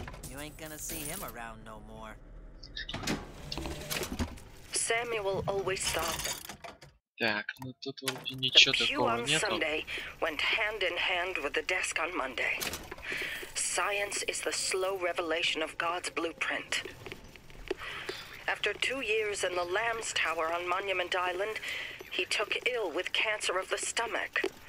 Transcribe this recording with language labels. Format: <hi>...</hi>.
<en>You ain't gonna see him around no more. Samuel always thought.</en> <ru>Так, ну тут вроде ничего такого нету.</ru> <en>The pew on Sunday went hand in hand with the desk on Monday. Science is the slow revelation of God's blueprint. After 2 years in the Lamb's Tower on Monument Island, he took ill with cancer of the stomach.</en>